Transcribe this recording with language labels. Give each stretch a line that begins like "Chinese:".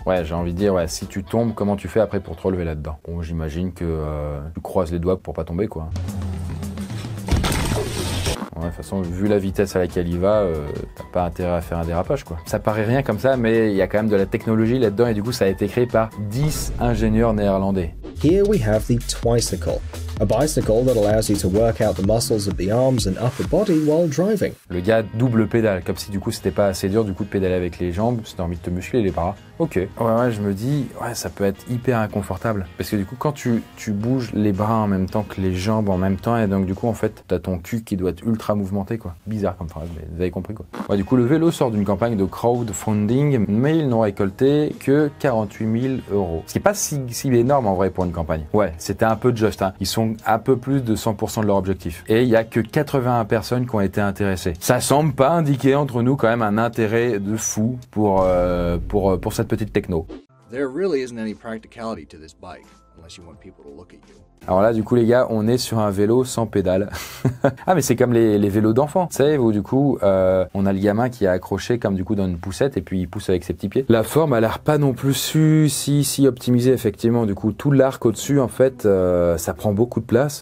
French: Ouais, j'ai envie de dire, ouais, si tu tombes comment tu fais après pour te relever là-dedans? Bon, j'imagine que tu croises les doigts pour pas tomber quoi. De toute façon, vu la vitesse à laquelle il va, t'as pas intérêt à faire un dérapage, quoi. Ça paraît rien comme ça, mais il y a quand même de la technologie là-dedans, et du coup, ça a été créé par 10 ingénieurs néerlandais.
English: Here we have the tricycle. A bicycle that allows you to work out the muscles of the arms and upper body while driving.
French: Le gars double pédale, comme si du coup c'était pas assez dur du coup de pédaler avec les jambes, si t'as envie de te muscler les bras. Ok. Ouais, je me dis, ouais, ça peut être hyper inconfortable. Parce que du coup, quand tu bouges les bras en même temps que les jambes en même temps, et donc du coup, en fait, t'as ton cul qui doit être ultra mouvementé, quoi. Bizarre comme phrase, mais vous avez compris, quoi. Ouais, du coup, le vélo sort d'une campagne de crowdfunding, mais ils n'ont récolté que 48 000 euros. Ce qui est pas si énorme en vrai pour une campagne. Ouais, c'était un peu juste, hein. Ils sont un peu plus de 100% de leur objectif. Et il y a que 81 personnes qui ont été intéressées. Ça semble pas indiquer entre nous quand même un intérêt de fou pour cette petite techno.
English: There really isn't any practicality to this bike unless you want people to look at you.
French: Alors là, du coup, les gars, on est sur un vélo sans pédale. Ah, mais c'est comme les vélos d'enfants. Tu sais, où du coup, on a le gamin qui est accroché comme du coup dans une poussette et puis il pousse avec ses petits pieds. La forme a l'air pas non plus si optimisée, effectivement. Du coup, tout l'arc au-dessus, en fait, ça prend beaucoup de place.